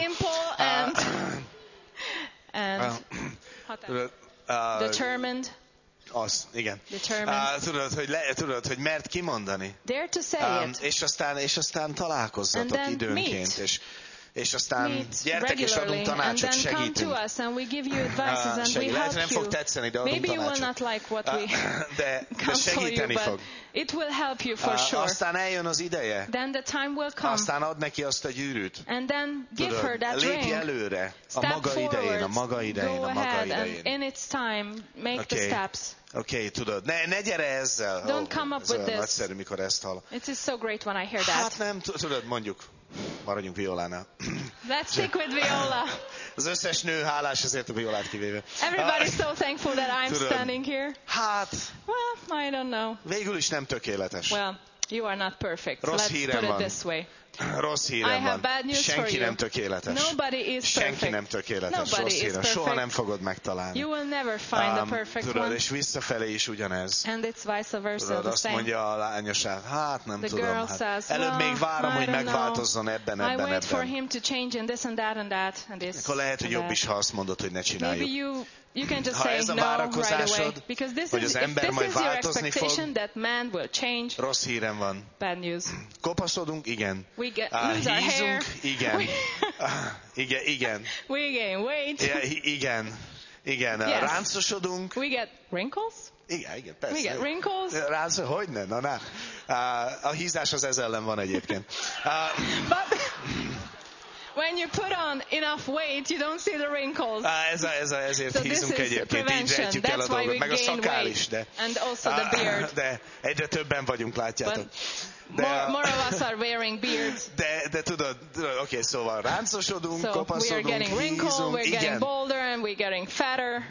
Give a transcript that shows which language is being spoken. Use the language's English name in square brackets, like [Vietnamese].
[English] So simple and determined. [Hungarian] Az, igen. [English] Determined. [Hungarian] Tudod, hogy mert kimondani. [English] Dare to say it. [Hungarian] És aztán találkozzatok [English] and [Hungarian] időnként. És aztán [English] meet [Hungarian] gyertek, és adunk tanácsot, [English] and [Hungarian] segítünk. [English] Come to us and we give you advices and we help [Hungarian] nem fog tetszeni, de adunk [English] maybe [Hungarian] tanácsot. [English] You will not like what we [Hungarian] de segíteni fog. [English] It will help you for sure. [Hungarian] Aztán eljön az ideje. [English] Then the time will come. [Hungarian] Aztán ad neki azt a gyűrűt. [English] And then give her that ring. [Hungarian] Lépj előre. [English] Step [Hungarian] a maga [English] forward, [Hungarian] idején, a maga idején, [English] go [Hungarian] a maga [English] ahead, [Hungarian] idején. [English] In its time, make okay. The steps. [Hungarian] Okay, tudod. Ne gyere ezzel. [English] Don't come up with this. [Hungarian] Nagyszerű, mikor ezt hall. [English] It is so great when I hear that. [Hungarian] Hát nem, tudod, mondjuk. Maradjunk Violánál. [English] Let's stick with Viola. [Hungarian] Az összes nő hálás ezért a Violát kivéve. [English] Everybody's so thankful that I'm standing here. [Hungarian] Hát. [English] Well, I don't know. [Hungarian] Végül is nem tökéletes. [English] Well, you are not perfect. [Hungarian] Rossz [English] let's [Hungarian] hírem [English] put [Hungarian] van. [English] It this way. [Hungarian] Rossz hírem van. [English] I have bad news [Hungarian] senki [English] for you. [Hungarian] Nem tökéletes. [English] Nobody is perfect. [Hungarian] Senki nem tökéletes. [English] Nobody [Hungarian] rossz [English] is [Hungarian] hírem. [English] Perfect. [Hungarian] Soha nem fogod megtalálni. [English] You will never find a perfect [Hungarian] tudod, [English] one. [Hungarian] És visszafelé is ugyanez. [English] And it's vice versa, [Hungarian] tudod, [English] the [Hungarian] azt [English] same. [Hungarian] Mondja a lányosát, hát nem [English] the [Hungarian] tudom. [English] Girl [Hungarian] hát. [English] Says, [Hungarian] előbb [English] well, [Hungarian] még várom, [English] I [Hungarian] hogy megváltozzon ebben. [English] I wait for him to change in this and that and that. And this [Hungarian] akkor lehet, hogy jobb [English] that. [Hungarian] Is, ha azt mondod, hogy ne csináljuk. [English] Maybe you can just say no right away. Because this [Hungarian] hogy az ember majd változni fog. [English] This is your expectation that man will change. [Hungarian] Rossz hírem van. [English] Bad news. [Hungarian] Kopaszodunk, igen. [English] We get, lose our [Hungarian] hízunk, [English] hair. [Hungarian] Igen. igen. [English] We gain weight. [Hungarian] Igen. Igen. [English] Yes. [Hungarian] Ráncosodunk. [English] We get wrinkles. Igen, persze. We get wrinkles. [Hungarian] Ráncosodunk. Hogy ne? Na. A hízás az ez ellen van egyébként. [English] But when you put on enough weight, you don't see the wrinkles. [Hungarian] Ezért hízunk egyébként. Így rejtjük el a dolgot. Meg a szakál is. [English] And also the beard. [Hungarian] De egyre többen vagyunk, látjátok. [English] More of us are wearing beards. [Hungarian] De tudod, oké, szóval ráncosodunk, kopaszodunk, [English] we are getting wrinkled, [Hungarian] hízunk, [English] we're getting bolder and we're getting fatter.